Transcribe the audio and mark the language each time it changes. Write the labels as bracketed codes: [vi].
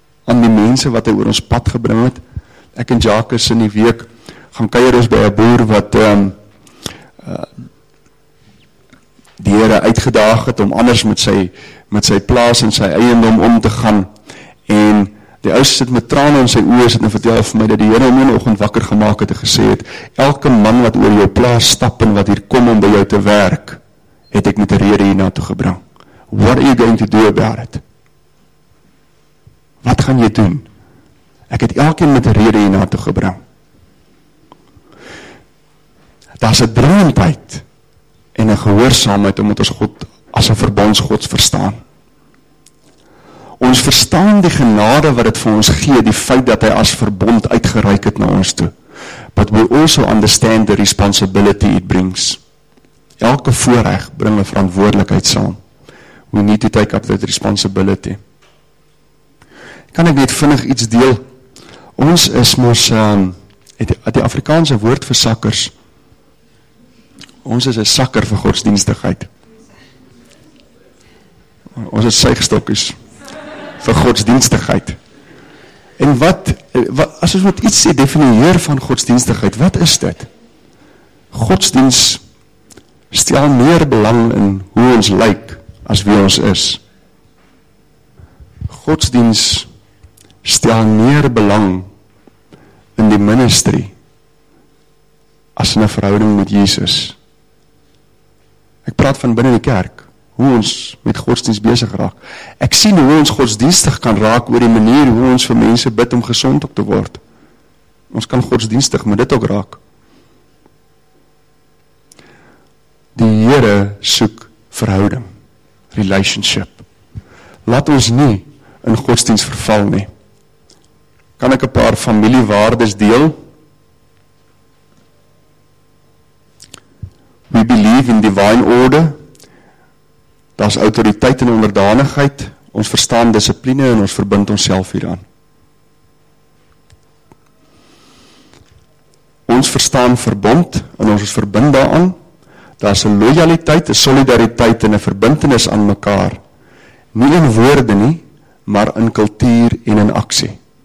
[af] Aan die mense wat hy oor ons pad gebring het? Ek en Jacques in die week gaan kuier ons by 'n boer wat die Here uitgedaag het om anders met sy plaas en sy eiendom om te gaan. En die ou sit met trane in sy oë en sit en vertel vir my dat die Here hom een oggend wakker gemaak het en gesê het, elke man wat oor jou plaas stap en wat hier kom om by jou te werk, het ek met 'n rede hierna toe gebring. [en] What are you going to do about it? [af] Wat gaan jy doen? Ek het elkeen met 'n rede hierna toe gebring. Daar's 'n dringendheid en 'n gehoorsaamheid omdat ons God as 'n verbondsgod verstaan. Ons verstaan die genade wat het vir ons gee, die feit dat hy as verbond uitgereik het na ons toe. [en] But we also understand the responsibility it brings. [af] Elke voorreg bring 'n verantwoordelikheid saam. [en] We need to take up that responsibility. [af] Kan ek net vinnig iets deel? Ons is mos, die Afrikaanse woord vir sakkers. Ons is 'n sakker vir godsdienstigheid. Ons is suigstokkies vir godsdienstigheid. En wat as ons moet iets sê definieer van godsdienstigheid, wat is dit? Godsdiens stel meer belang in hoe ons lyk as wie ons is. Godsdiens stel meer belang in die ministry as in 'n verhouding met Jesus. Ek praat van binne die kerk. Hoe ons met godsdienst besig raak. Ek sien hoe ons godsdienstig kan raak oor die manier hoe ons vir mense bid om gesond op te word. Ons kan godsdienstig met dit ook raak. Die Here soek verhouding. Relationship. Laat ons nie in godsdienst verval nie. Kan ek 'n paar familiewaardes deel? [en] We believe in divine order. [af] Daar is autoriteit en onderdanigheid, ons verstaan dissipline en ons verbind onsself hieraan. Ons verstaan verbond en ons is verbind daaraan. Daar is 'n loyaliteit, 'n solidariteit en 'n verbintenis aan mekaar. Nie in woorde nie, maar in kultuur en in aksie.